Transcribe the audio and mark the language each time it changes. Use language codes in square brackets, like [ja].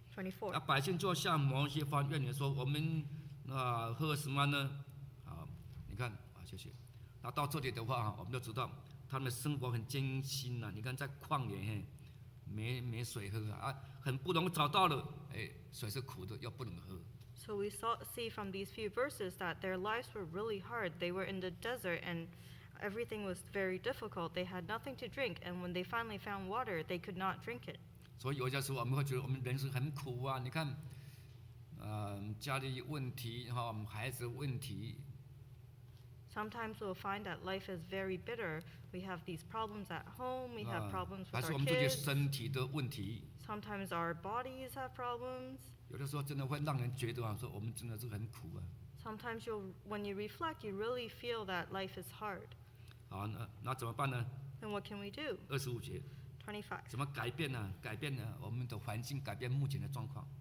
[zh] 15章22节。 [en] Verse 22. [zh] 15章22。 [en] Verse 22。 [zh] 摩西领以色列人从红海往前行，到了示罗的旷野，在旷野走了三天，找不到水，23节。23。找到了马拉，不能喝那里的水，因为水苦，所以那个地方的名字叫做马拉，24节。24。那百姓就向摩西发愿言说：“我们。” 那喝什么呢？好，你看啊，谢谢。那到这里的话，我们就知道他们生活很艰辛呐、啊。你看在旷野，没水喝啊，很不容易找到了，水是苦的，又不能喝。 [en] So we saw see from these few verses that their lives were really hard. They were in the desert and everything was very difficult. They had nothing to drink, and when they finally found water, they could not drink it. [zh] 所以有些时候我们会觉得我们人生很苦啊，你看。家里问题，孩子问题， [en] Sometimes we'll find that life is very bitter. We have these problems at home, we have problems with our kids. [zh] 还是我们自己身体的问题。 [en] Sometimes our bodies have problems. [zh] 有的时候真的会让人觉得说我们真的是很苦啊。 [en] Sometimes you'll, when you reflect, you really feel that life is hard. [zh] 好，那怎么办呢？ [en] And what can we do? [zh] 25节。 [en] 25. [zh] 怎么改变呢？改变呢？我们的环境， 改变目前的状况。